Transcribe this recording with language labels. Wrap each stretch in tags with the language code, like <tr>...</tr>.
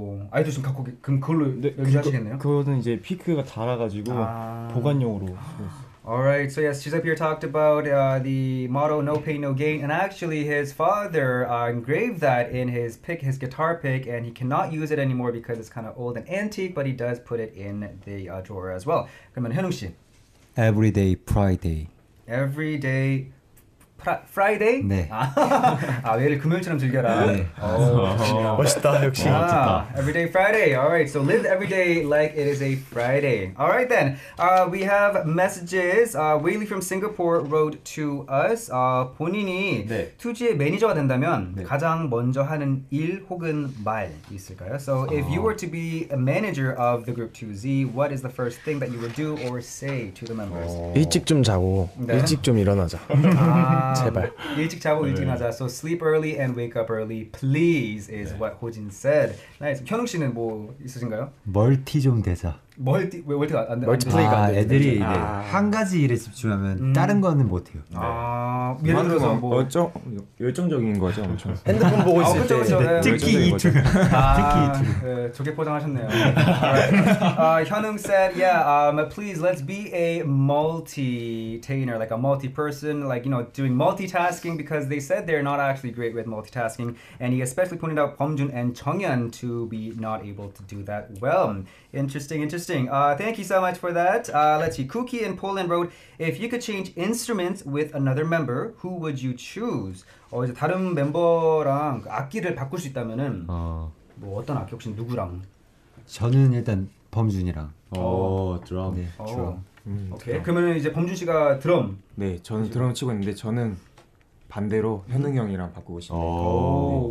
<ko>아이도 지금 갖고 그럼 그걸로 네, 연주하시겠네요? 그거는 이제 피크가 닳아가지고 보관용으로.</ko> <en>Alright, so yes, Chizap here talked about the motto No Pain, No Gain, and actually his father engraved that in his pick, his guitar pick, and he cannot use it anymore because it's kind of old and antique, but he does put it in the drawer as well.</en> <ko>그러면 현웅 씨.</ko> <en>Everyday Friday. Everyday Friday? 네.</en> <ko>매일 금요일처럼 즐겨라. 네. 멋있다, 역시. 멋있다.</ko> <en>Everyday Friday. All right, so live every day like it is a Friday. All right, then. We have messages. Whaley from Singapore wrote to us.</en> <ko>본인이 2G의 네. 매니저가 된다면 네. 가장 먼저 하는 일 혹은 말 있을까요?</ko> <en>So if you were to be a manager of the group 2Z, what is the first thing that you would do or say to the members?</en> <ko>일찍 좀 자고, 네. 일찍 좀 일어나자. 제발. 일찍 자고 일찍 하자.</ko> <en>So sleep early and wake up early, please is</en> <ko>네.</ko> <en>what Hojin said. Nice.</en> <ko>현웅 씨는 뭐 있으신가요? 멀티 좀 되자. 멀티 왜 멀티가 안 돼? 멀티플레이가 안 돼. 애들이 네. 한 가지 일에 집중하면 다른 거는 못 해요. 네. 예를 들어서 뭐 열정 열정적인 거죠, 엄청. 핸드폰 보고 있을 때 특히 이 툴. 특히 이 툴. 조개 포장하셨네요. Right.</ko> <en>현웅 said, yeah, please let's be a multi-tainer, like a multi-person, like you know, doing multitasking because they said they're not actually great with multitasking, and he especially pointed out 범준 and 정연 to be not able to do that well. Interesting. Thank you so much for that. Let's see. Kuki in Poland wrote, if you could change instruments with another member, who would you choose?</en> <ko>이제 다른 멤버랑 악기를 바꿀 수 있다면은 뭐 어떤 악기 혹시 누구랑? 저는 일단 범준이랑. 드럼. 네, 드럼. 오케이. 그러면 이제 범준 씨가 드럼. 네, 저는 드럼 치고 있는데 저는 반대로 현웅 형이랑 바꾸고 싶어요.</ko>